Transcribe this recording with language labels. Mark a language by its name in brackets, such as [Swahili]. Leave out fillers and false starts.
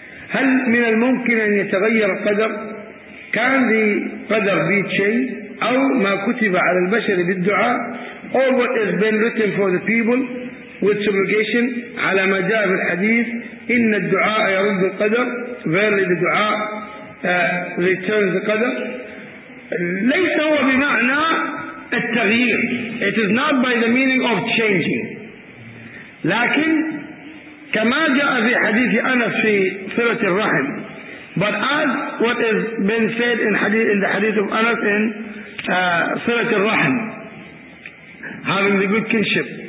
[Arabic] هل من الممكن أن يتغير القدر؟ [English] Can the قدر be changed? [Arabic] أو ما كتب على البشر بالدعاء؟ [English] Or what has been written for the people with supplication [Arabic] على ما جاء في الحديث إن الدعاء يرد القدر. [English] Verily the دعاء returns the قدر. [Arabic] ليس هو بمعنى التغيير. [English] It is not by the meaning of changing. [Arabic] لكن كما جاء في حديث أنس في صلة الرحم. [English] But as what has been said in the hadith of Anas in صلة الرحم, having the good kinship.